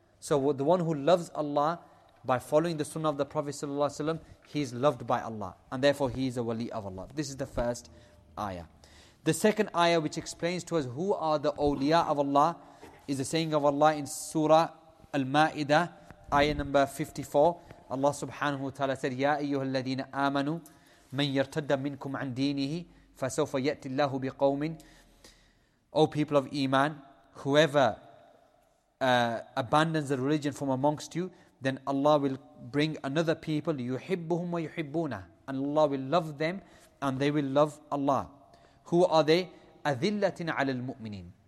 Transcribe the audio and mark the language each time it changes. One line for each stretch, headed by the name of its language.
English: So the one who loves Allah by following the sunnah of the Prophet sallallahu alaihi wasallam, he is loved by Allah. And therefore he is a wali of Allah. This is the first ayah. The second ayah which explains to us who are the awliya of Allah is the saying of Allah in Surah Al-Ma'idah, ayah number 54. Allah subhanahu wa ta'ala said,
Arabic: يَا أَيُّهَا الَّذِينَ آمَنُوا مَنْ يَرْتَدَّ مِنْكُمْ عَنْ دِينِهِ فَسَوْفَ يَأْتِ اللَّهُ بِقَوْمٍ.
English: O people of Iman, whoever abandons the religion from amongst you, then Allah will bring another people,
Arabic: يُحِبُّهُمْ وَيُحِبُّونَهُ,
English: and Allah will love them and they will love Allah. Who are they?
Arabic: أَذِلَّةٍ عَلَى الْمُؤْمِنِينَ.